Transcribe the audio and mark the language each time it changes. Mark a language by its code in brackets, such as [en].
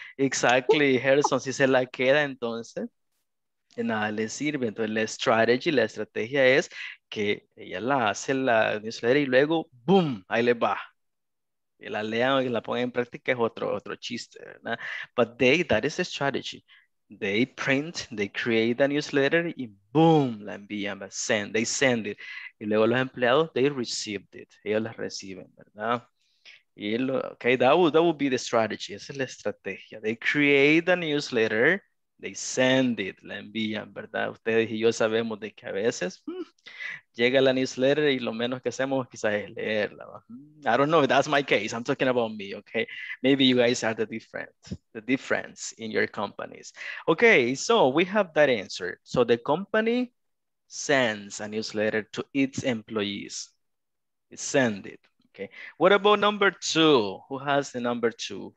[en] Exactly, [es] Harrison, si se la queda, entonces de nada le sirve. Entonces la estrategia es que ella la hace la newsletter y luego boom, ahí le va. Y la lean y la pongan en práctica es otro chiste, ¿verdad? [en] But that is the strategy. They print, they create a newsletter, [es] y boom, la envían, [en] they send it. [es] Y luego los empleados, [en] they received it. [es] Ellos la reciben, ¿verdad? [en] Y lo, okay, that would be the strategy. [es] Esa es la estrategia. [en] They create a newsletter, they send it, [es] la envían, ¿verdad? Ustedes y yo sabemos de que a veces llega la newsletter y lo menos que hacemos quizás es leerla. [en] I don't know, that's my case. I'm talking about me, okay? Maybe you guys are the difference in your companies. Okay, so we have that answer. So the company sends a newsletter to its employees. It send it, okay? What about number two? Who has the number two?